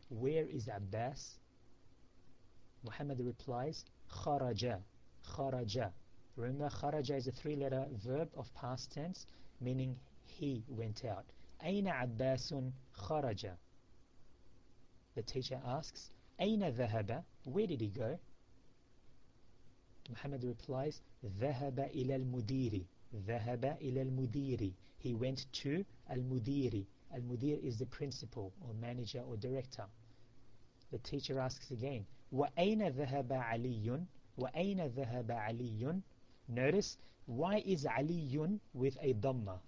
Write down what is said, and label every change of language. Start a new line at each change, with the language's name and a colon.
English: Where is Abbas? Muhammad replies,
Arabic: خرج. خرج.
English: Remember, خرج is a three-letter verb of past tense, meaning he went out.
Arabic: أين عباس خرج?
English: The teacher asks,
Arabic: أين ذهب?
English: Where did he go?
Arabic: Muhammad
English: replies,
Arabic: ذهب إلى المديري. ذهب إلى المديري.
English: He went to المديري. Al-mudir is the principal, or manager, or director. The teacher asks again,
Arabic: وَأَيْنَ ذَهَبَ عَلِيٌّ? وَأَيْنَ ذَهَبَ عَلِيٌّ?
English: Notice, why is عَلِيٌّ with a dhamma?